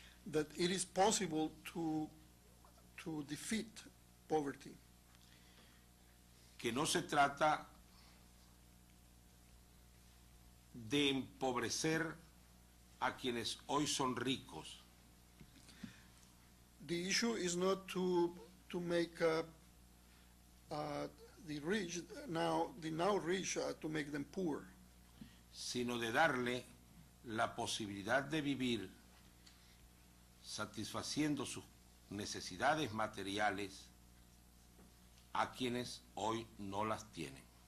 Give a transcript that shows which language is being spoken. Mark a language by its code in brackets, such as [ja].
[en] That it is possible to defeat poverty. [es] que no se trata de empobrecer a quienes hoy son ricos. [en] The issue is not to make the rich now rich to make them poor, [es] sino de darle la posibilidad de vivir satisfaciendo sus necesidades materiales a quienes hoy no las tienen.